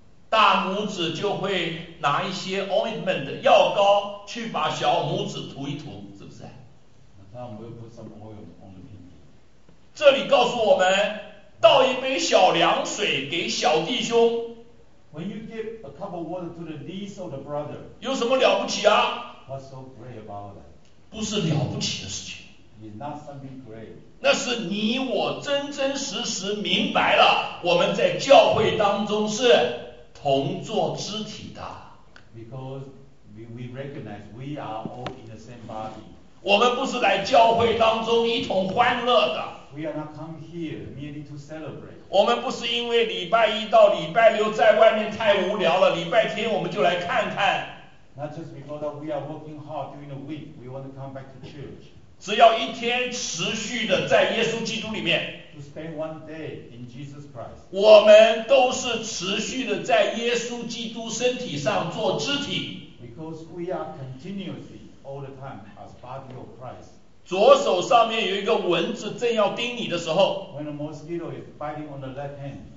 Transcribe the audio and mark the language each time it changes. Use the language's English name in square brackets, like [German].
[Chinese] 大拇指就会拿一些 ointment 药膏去把小拇指涂一涂，是不是？那我们又不是什么 [English] oil on the pinky。 [Chinese] 这里告诉我们，倒一杯小凉水给小弟兄。 [English] When you give a cup of water to the least of the brother, [Chinese] 有什么了不起啊 [English] ？What's so great about that? [Chinese] 不是了不起的事情。 [English] It's not something great. [Chinese] 那是你我真真实实明白了，我们在教会当中是。同坐肢体的 [English] ，because we recognize we are all in the same body。 [Chinese] 我们不是来教会当中一同欢乐的。 [English] We are not come here merely to celebrate。 [Chinese] 我们不是因为礼拜一到礼拜六在外面太无聊了，礼拜天我们就来看看。 [English] Not just because that we are working hard during the week, we want to come back to church。 [Chinese] 只要一天持续的在耶稣基督里面。 [English] To spend one day in Jesus Christ. [Chinese] 我们都是持续的在耶稣基督身体上做肢体。 [English] Because we are continuously all the time as body of Christ. [Chinese] 左手上面有一个蚊子正要叮你的时候。 [English] When a mosquito is biting on the left hand.